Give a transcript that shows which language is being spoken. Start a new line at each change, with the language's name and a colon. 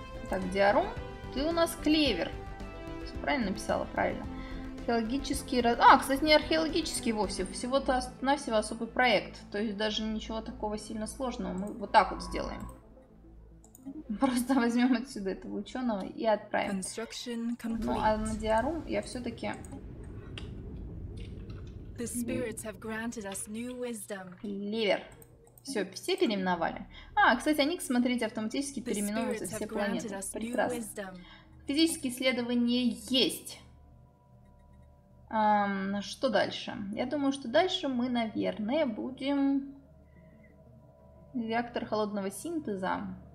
Russian: Так, Диарум, ты у нас клевер. Все правильно написала? Правильно. Археологический... кстати, не археологический вовсе, всего-то навсего особый проект. То есть даже ничего такого сильно сложного. Мы вот так вот сделаем. Просто возьмем отсюда этого ученого и отправим.
English: Construction complete.
Russian: Ну, а на Диарум я все-таки...
English: The spirits have granted us new wisdom.
Russian: Клевер. Все, все переименовали. Кстати, они, смотрите, автоматически переименовываются все планеты. Прекрасно. Физические исследования есть. Что дальше? Я думаю, что дальше мы, наверное, будем... Реактор холодного синтеза.